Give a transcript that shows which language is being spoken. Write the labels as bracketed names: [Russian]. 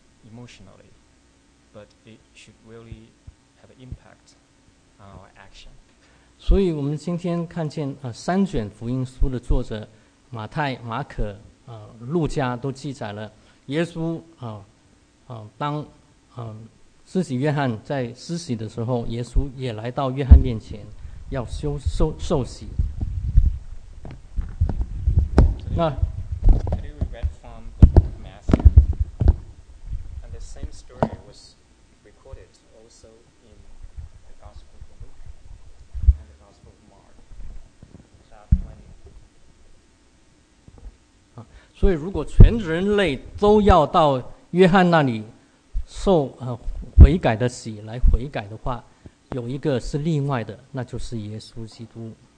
[English] emotionally, but it should really have an impact on our action. [Chinese] 所以我们今天看见三卷福音书的作者马太、马可、路加都记载了耶稣当施洗约翰在施洗的时候，耶稣也来到约翰面前要受洗。 [English] 那today we read from the book of Matthew, and the same story was recorded also in the Gospel of Luke and the Gospel of Mark, chapter 20. [Chinese] 所以如果全人类都要到约翰那里受悔改的洗来悔改的话，有一个是例外的，那就是耶稣基督。